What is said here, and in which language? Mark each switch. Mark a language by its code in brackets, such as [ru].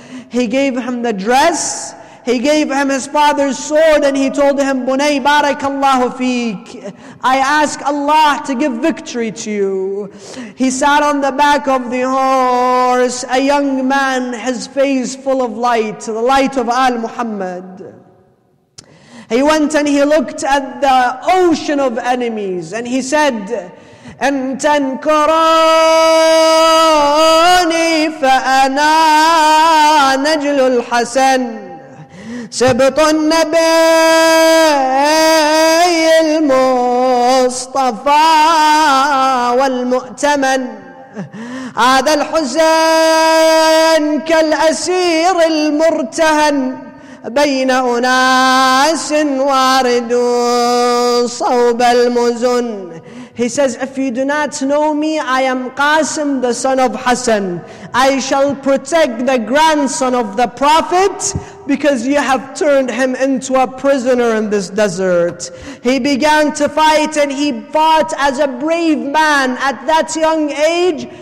[en] He gave him the dress, he gave him his father's sword, and he told him, Bunay barakallahu feek, I ask Allah to give victory to you. He sat on the back of the horse, a young man, his face full of light, the light of Al Muhammad. He went and he looked at the ocean of enemies, and he said, [ar] إن تنكروني فأنا نجل الحسن سبط النبي المصطفى والمؤتمن هذا الحسين كالأسير المرتهن بين أناس واردوا صوب المزن. [en] He says, if you do not know me, I am Qasim, the son of Hassan. I shall protect the grandson of the Prophet because you have turned him into a prisoner in this desert. He began to fight and he fought as a brave man at that young age.